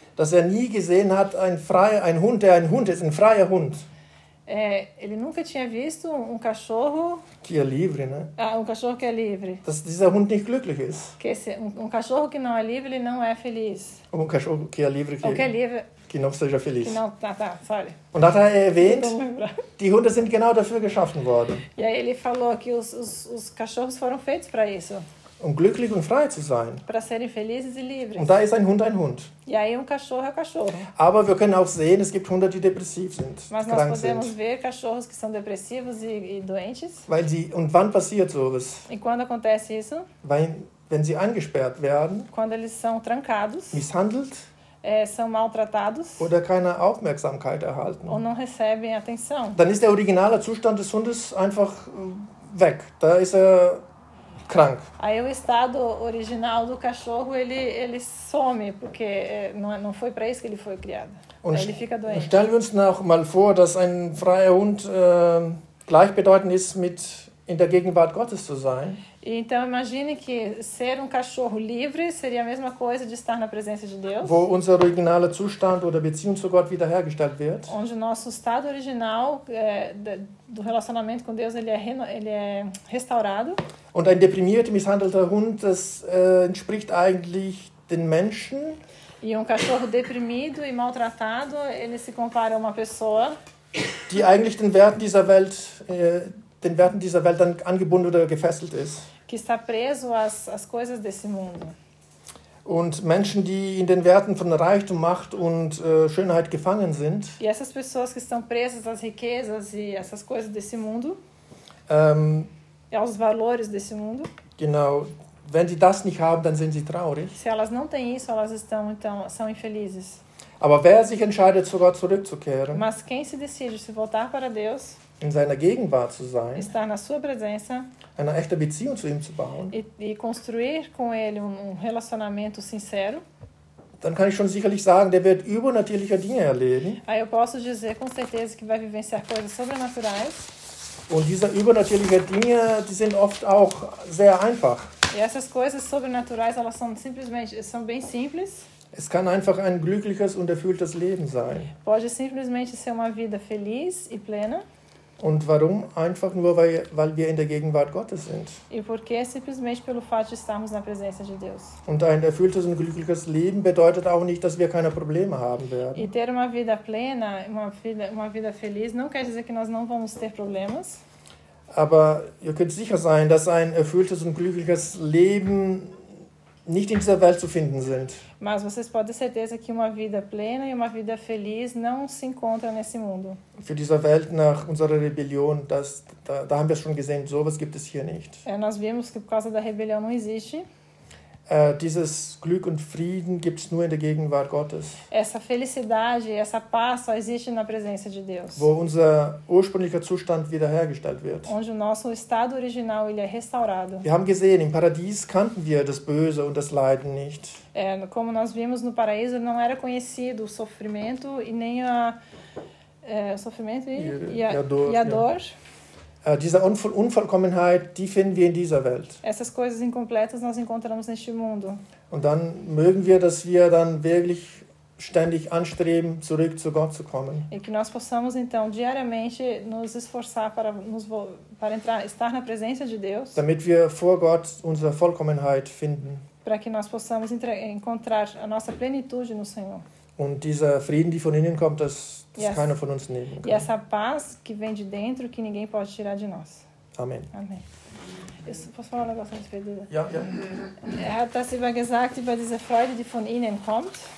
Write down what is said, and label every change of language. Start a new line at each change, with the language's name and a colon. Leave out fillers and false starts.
German: Dass er nie gesehen hat, ein Hund, der ein Hund ist, ein freier Hund.
Portuguese: Ele nunca tinha visto um cachorro. Que é livre, né? Ah, um cachorro que é livre.
German: Dass dieser Hund nicht glücklich ist.
Portuguese: Que esse, um cachorro que não é livre, ele não é feliz. Ou um cachorro que é livre, que é livre. Que não seja feliz. Que não, tá, sorry.
German: Und hat er erwähnt, die Hunde sind genau dafür geschaffen worden.
Portuguese: E aí ele falou que os cachorros foram feitos para isso.
German: Um glücklich und frei zu sein.
Portuguese: Para serem felizes e livres.
German: Und da ist ein Hund ein Hund.
Portuguese: E aí cachorro é cachorro.
German: Aber wir können auch sehen, es gibt Hunde, die depressiv sind.
Portuguese: Mas
German: krank
Portuguese: nós podemos
German: sind.
Portuguese: Ver cachorros que são depressivos e doentes.
German: Weil sie, und wann passiert sowas?
Portuguese: E quando acontece isso?
German: Wenn sie eingesperrt werden.
Portuguese: Quando eles são trancados.
German: Misshandelt.
Portuguese: São maltratados.
German: Oder keine Aufmerksamkeit erhalten.
Portuguese: Ou não recebem atenção.
German: Dann ist der originale Zustand des Hundes einfach weg. Da ist er krank.
Portuguese: Aí o estado original do cachorro ele some, porque não foi para isso que ele foi criado.
German: Und
Portuguese: ele fica doente.
German: Stellen wir uns noch mal vor, dass ein freier Hund gleichbedeutend ist mit in der Gegenwart Gottes zu sein.
Portuguese: Então imagine que ser cachorro livre seria a mesma coisa de estar na presença de Deus.
German: Wo unser originaler Zustand oder Beziehung zu Gott wiederhergestellt wird.
Portuguese: Onde nosso estado original do relacionamento com Deus ele é restaurado.
German: Und ein deprimierter, misshandelter Hund, das entspricht eigentlich den Menschen.
Portuguese: E cachorro deprimido e maltratado, ele se compara a uma pessoa.
German: Die eigentlich den Werten dieser Welt, dann angebunden oder gefesselt ist.
Portuguese: Que está preso às coisas desse mundo.
German: Und Menschen, die in den Werten von Reichtum, Macht und Schönheit gefangen sind.
Portuguese: E essas pessoas que estão presas às riquezas e essas coisas desse mundo. Aos valores desse mundo.
German: Genau. Wenn sie das nicht haben, dann sind sie traurig.
Portuguese: Se elas não têm isso, elas estão então são infelizes.
German: Aber wer sich entscheidet, zu Gott zurückzukehren?
Portuguese: Mas quem se decide se voltar para Deus?
German: In seiner Gegenwart zu sein.
Portuguese: Estar na sua presença.
German: Eine echte Beziehung zu ihm zu bauen.
Portuguese: E construir com ele relacionamento sincero.
German: Dann kann ich schon sicherlich sagen, der wird übernatürliche Dinge erleben.
Portuguese: Aí eu posso dizer com certeza que vai vivenciar coisas sobrenaturais.
German: Und diese übernatürlichen Dinge, die sind oft auch sehr einfach.
Portuguese: E essas coisas sobrenaturais, elas são bem simples.
German: Es kann einfach ein glückliches und erfülltes Leben sein.
Portuguese: Pode simplesmente ser uma vida feliz e plena.
German: Und warum? Einfach nur weil wir in der Gegenwart Gottes sind.
Portuguese: E porque simplesmente pelo fato de estarmos na presença de Deus.
German: Und ein erfülltes und glückliches Leben bedeutet auch nicht, dass wir keine Probleme haben werden.
Portuguese: E ter uma vida plena, uma vida feliz, não quer dizer que nós não vamos ter problemas.
German: Aber ihr könnt sicher sein, dass ein erfülltes und glückliches Leben nicht in dieser Welt zu finden sind.
Portuguese: Mas vocês podem ter certeza que uma vida plena e uma vida feliz não se encontra nesse mundo.
German: Für diese Welt nach unserer Rebellion, da haben wir schon gesehen, sowas gibt es hier nicht.
Portuguese: Nós vimos que por causa da rebelião não existe.
German: Dieses Glück und Frieden gibt es nur in der Gegenwart Gottes.
Portuguese: Essa felicidade, essa paz só existe na presença de Deus.
German: Wo unser ursprünglicher Zustand wiederhergestellt wird.
Portuguese: Onde o nosso estado original ele é restaurado.
German: Wir haben gesehen, im Paradies kannten wir das Böse und das Leiden nicht.
Portuguese: Como nós vimos no paraíso, não era conhecido o sofrimento e nem a sofrimento e a dor.
German: Diese Unvollkommenheit, die finden wir in dieser Welt.
Portuguese: Essas coisas incompletas nós encontramos neste mundo.
German: Und dann mögen wir, dass wir dann wirklich ständig anstreben, zurück zu Gott zu kommen.
Portuguese: E que nós possamos então diariamente nos esforçar para estar na presença de Deus.
German: Damit wir vor Gott unsere Vollkommenheit finden.
Portuguese: Para que nós possamos encontrar a nossa plenitude no Senhor.
German: Und dieser Frieden, die von innen kommt, das keiner von uns nehmen kann.
Portuguese: E essa paz que vem de dentro, que ninguém pode tirar de nós. Amen. Amen. Posso falar um negócio antes, Pedro?
German: Ja, ja. Er hat das immer gesagt, über diese Freude, die von innen kommt.